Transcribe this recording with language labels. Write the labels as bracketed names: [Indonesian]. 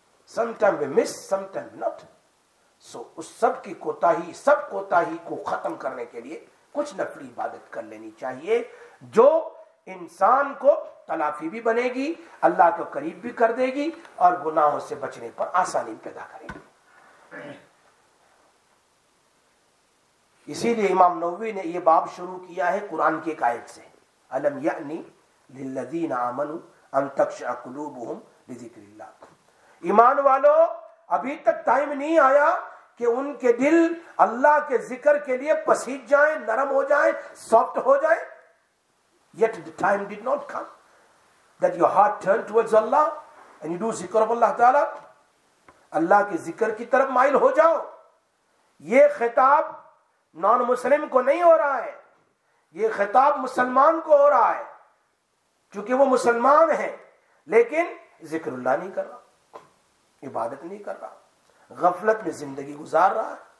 [English] Sometimes we miss, sometimes not. [Urdu] So, اس سب کی کوتاہی, سب کوتاہی کو ختم کرنے کے لیے کچھ نفلی عبادت کر لینی چاہیے, جو انسان کو تلافی بھی بنے گی, اللہ کو قریب بھی کر دے گی, اور گناہوں سے بچنے پر آسانی پیدا کرے گی. اسی لیے امام نووی نے یہ باب شروع کیا ہے قرآن کی ایک آیت سے, [Arabic] الم یعنی للذین آمنوا ان تخشع قلوبهم لذکر اللہ, [Urdu] ایمان والو ابھی تک ٹائم نہیں آیا کہ ان کے دل اللہ کے ذکر کے لیے پسیج جائیں, نرم ہو جائیں, سافٹ ہو جائیں. [English] Yet the time did not come that your heart turned towards Allah and you do ذکر of Allah تعالی, [Urdu] اللہ کے ذکر کی طرف مائل ہو جاؤ. یہ خطاب نان مسلم کو نہیں ہو رہا ہے, یہ خطاب مسلمان کو ہو رہا ہے, چونکہ وہ مسلمان ہیں لیکن ذکر اللہ نہیں کر رہا, عبادت نہیں کر رہا, غفلت میں زندگی گزار رہا.